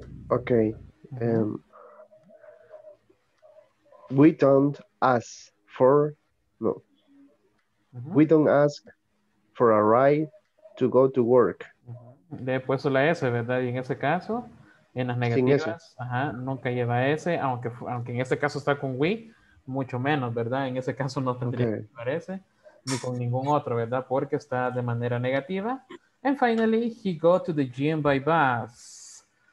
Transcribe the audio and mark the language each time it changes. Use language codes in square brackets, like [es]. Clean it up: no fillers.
[en] Okay. We don't ask for, no. Uh-huh. We don't ask for a ride to go to work. Uh-huh. [es] Le he puesto la S, ¿verdad? Y en ese caso, en las negativas, ajá, nunca lleva S, aunque en ese caso está con we, mucho menos, ¿verdad? En ese caso no tendría que llevar S. ni con ningún otro, ¿verdad? Porque está de manera negativa. [en] And finally, he go to the gym by bus.